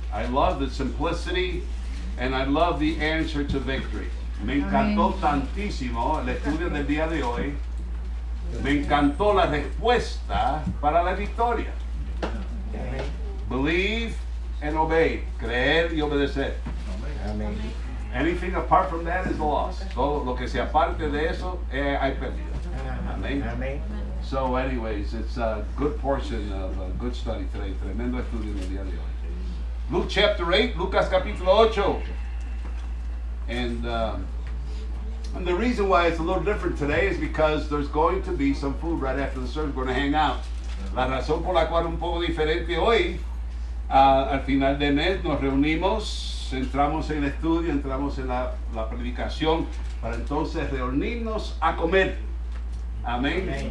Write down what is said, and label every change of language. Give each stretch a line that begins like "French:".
English: I love the simplicity and I love the answer to victory.
Spanish: Me encantó tantísimo el estudio del día de hoy. Me encantó la respuesta para la victoria.
English: Believe and obey.
Spanish: Creer y obedecer.
English: Amen. Anything apart from that is lost.
Spanish: Todo lo que sea parte de eso, hay perdido.
English: Amen. Amen. So anyways, it's a good portion of a good study today.
Spanish: Tremendo estudio en el día de hoy.
English: Luke chapter 8,
Spanish: Lucas capítulo 8.
English: And the reason why it's a little different today is because there's going to be some food right after the service. We're going to hang out.
Spanish: La razón por la cual un poco diferente hoy, al final de mes nos reunimos, entramos en el estudio, entramos en la predicación, para entonces reunirnos a comer. Amén.